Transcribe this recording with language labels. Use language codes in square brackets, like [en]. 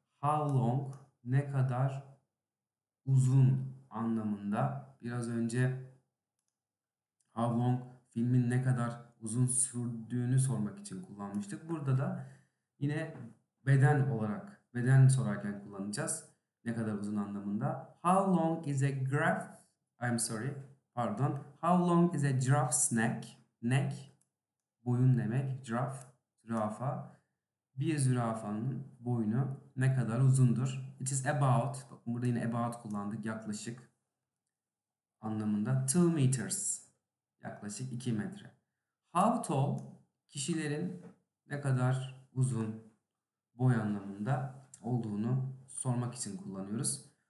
[en] How long, [tr] ne kadar uzun anlamında. Biraz önce [en] how long, [tr] filmin ne kadar uzun sürdüğünü sormak için kullanmıştık. Burada da yine beden olarak, beden sorarken kullanacağız. Ne kadar uzun anlamında. [en] How long is a giraffe? I'm sorry, pardon. How long is a giraffe's neck? [tr] Neck, boyun demek. Giraffe, zürafa. Bir zürafanın boyunu ne kadar uzundur? [en] It is about, [tr] bakın burada yine about kullandık, yaklaşık anlamında. [en] 2 meters, [tr] yaklaşık 2 metre. [en] How tall, [tr] kişilerin ne kadar uzun, boy anlamında olduğunu sormak için kullanıyoruz.